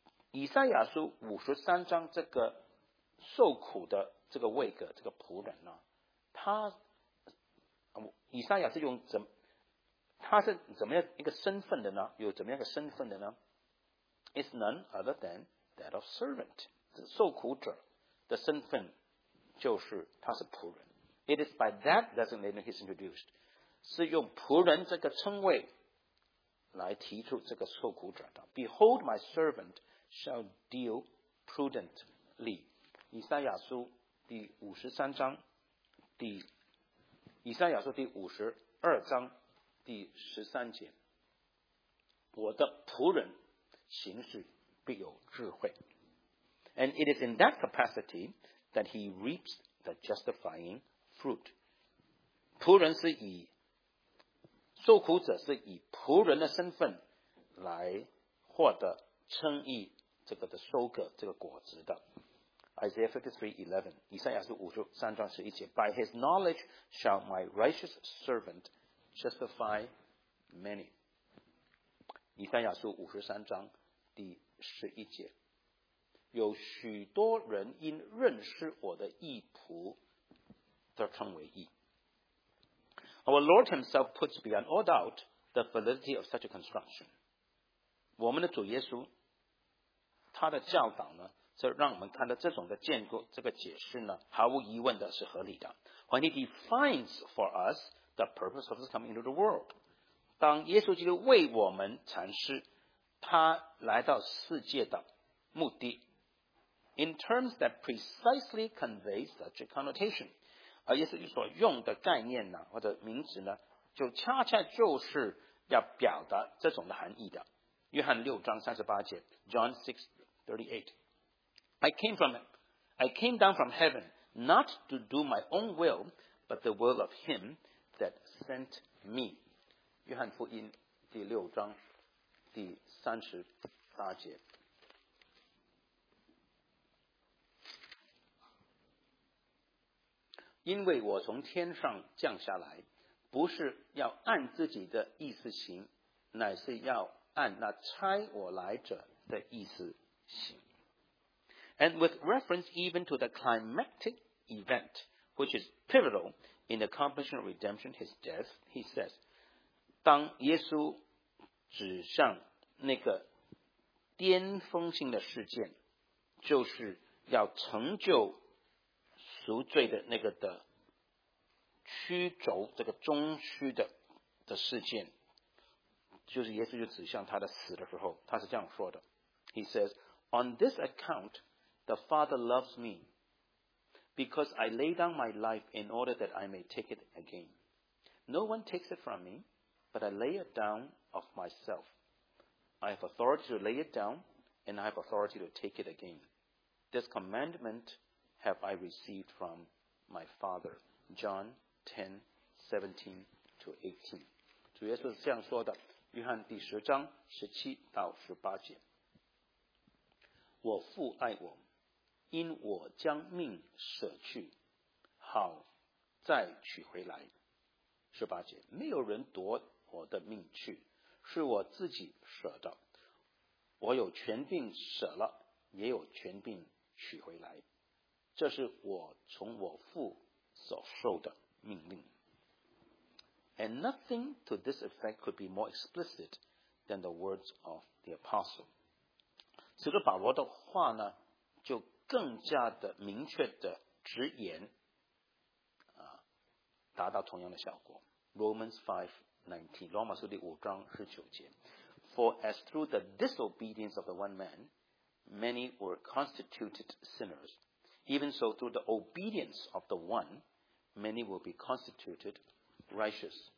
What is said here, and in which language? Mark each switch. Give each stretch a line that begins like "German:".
Chinese: 以赛亚书53章这个受苦的这个位格这个仆人呢，他以赛亚是用他是怎么样一个身份的呢？有怎么样一个身份的呢？
English: It's none other than that of servant，
Chinese: 是受苦者的身份，就是他是仆人。
English: It is by that designation he's introduced，
Chinese: 是用仆人这个称谓来提出这个受苦者的。
English: Behold my servantShall deal prudently。
Chinese: 以赛亚书第五十三章第以赛亚书第五十二章第十三节，我的仆人行事必有智慧。
English: And it is in that capacity that he reaps the justifying fruit。
Chinese: 仆人是以受苦者是以仆人的身份来获得称义这个的收割这个果子的。
English: Isaiah 53:11，
Chinese: 以赛亚书五十三章十一节，
English: By his knowledge shall my righteous servant justify many。
Chinese: 以赛亚书五十三章第十一节，有许多人因认识我的义仆得称为义。
English: Our Lord himself puts beyond all doubt the validity of such a construction。
Chinese: 我们的主耶稣他的教导呢，是让我们看到这种的建构，这个解释呢，毫无疑问的是合理的。
English: When he defines for us the purpose of his coming into the world，
Chinese: 当耶稣基督为我们阐释他来到世界的目的 ，
English: in terms that precisely convey such a connotation，
Chinese: 而耶稣基督所用的概念呢，或者名词呢，就恰恰就是要表达这种的含义的。约翰六章三十八节
English: ，John 6:38， I came down from heaven not to do my own will, but the will of him that sent me。
Chinese: 约翰福音第六章第三十八节。因为我从天上降下来，不是要按自己的意思行，乃是要按那差我来者的意思。
English: And with reference even to the climactic event, which is pivotal in the accomplishment of redemption, his death, he says,
Chinese: 当耶稣指向那个巅峰性的事件，就是要成就赎罪的那个的曲轴这个中枢的事件，就是耶稣就指向他的死的时候，他是这样说的。
English: He says, On this account, the Father loves me, because I lay down my life in order that I may take it again. No one takes it from me, but I lay it down of myself. I have authority to lay it down, and I have authority to take it again. This commandment have I received from my Father. John 10:17-18.
Chinese: 主耶稣是这样说的。约翰第十章十七到十八节，我父爱我，因我将命舍去，好再取回来。十八节，没有人夺我的命去，是我自己舍的。我有权柄舍了，也有权柄取回来。这是我从我父所受的命令。
English: And nothing to this effect could be more explicit than the words of the apostle.
Chinese: 使徒保罗的话呢，就更加的明确的直言，达到同样的效果。 Romans 5:19, 罗马书第五章十九节。
English: For as through the disobedience of the one man, many were constituted sinners, even so through the obedience of the one, many will be constituted righteous.